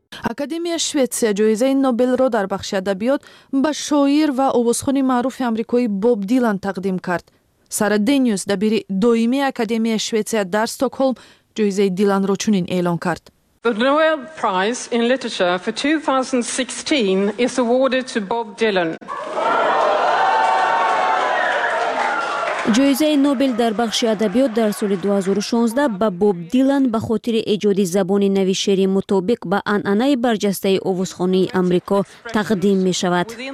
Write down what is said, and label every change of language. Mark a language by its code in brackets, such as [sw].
[fa] اکادمی شوتسیا جایزه نوبل را در بخش ادبیات به شاعر و آوازخوان معروف آمریکایی باب دیلان تقدیم کرد. سارا دنیوس دبیر دائمی اکادمی شوتسیا در استکهلم جایزه دیلان را چنین اعلان کرد. [en] The Nobel Prize in Literature for 2016 is awarded to Bob Dylan. [fa] جایزه نوبل در بخش ادبیات در سال 2016 به بوب دیلان به خاطر ایجاد زبان نوی شعری مطابق به عنعنه برجسته آوازخوانی آمریکا تقدیم می شود.